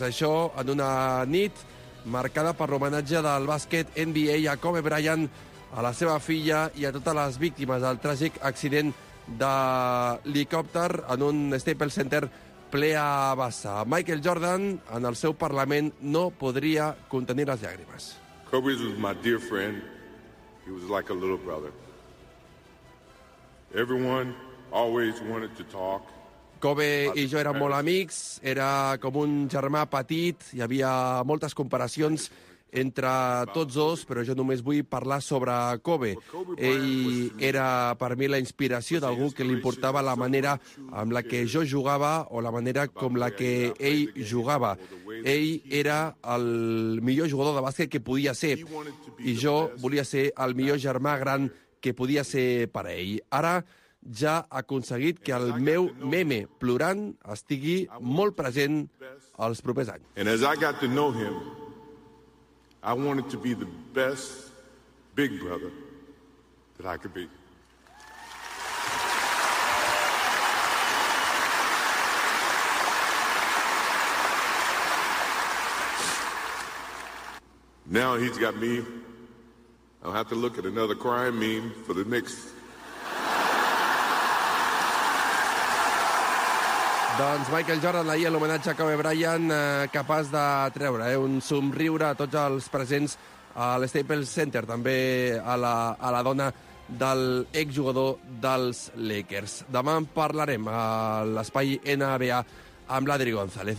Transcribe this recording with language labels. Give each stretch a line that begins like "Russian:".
Catalan: Això en una nit marcada per l'homenatge del bàsquet NBA a Kobe Bryant, a la seva filla i a totes les víctimes del tràgic accident de l'helicòpter en un Staples Center ple a vessar. Michael Jordan, en el seu parlament, no podria contenir les llàgrimes.
English: Kobe was my dear friend. He was like a little brother. Everyone always wanted to talk.
Catalan: Kobe i jo érem molt amics, era com un germà petit, hi havia moltes comparacions entre tots dos, però jo només vull parlar sobre Kobe. Ell era per mi la inspiració d'algú que li importava la manera amb la que jo jugava o la manera com la que ell jugava. Ell era el millor jugador de bàsquet que podia ser i jo volia ser el millor germà gran que podia ser per ell. Ara ja ha aconseguit que el meu meme plorant estigui molt present els propers anys.
English: And as I got to know him, I wanted to be the best big brother that I could be. Now he's got me. I'll have to look at another crime meme for the next.
Catalan: Doncs Michael Jordan, ahir l'homenatge a Kobe Bryant, capaç de treure un somriure a tots els presents a l'Staples Center, també a la dona del exjugador dels Lakers. Demà en parlarem a l'espai NBA amb l'Adri González.